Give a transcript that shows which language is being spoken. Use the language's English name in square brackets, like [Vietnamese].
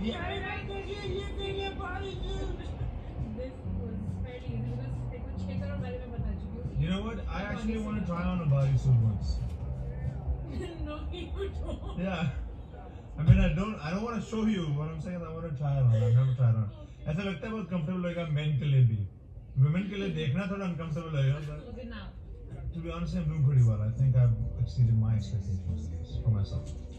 [English] Yeah, I like it. Yeah, yeah, yeah, body suit. This was very easy. This is a chicken or whatever. You know what? I actually want to try on a body suit once. No, you don't. Yeah. I mean, I don't want to show you, but I'm saying I want to try it on. I've never tried it on. [Hindi] ऐसा लगता है बहुत comfortable लगेगा men के लिए भी. Women के लिए देखना थोड़ा uncomfortable लगेगा. [English] Okay, now. To be honest, I'm doing pretty well. I think I've exceeded my expectations for myself.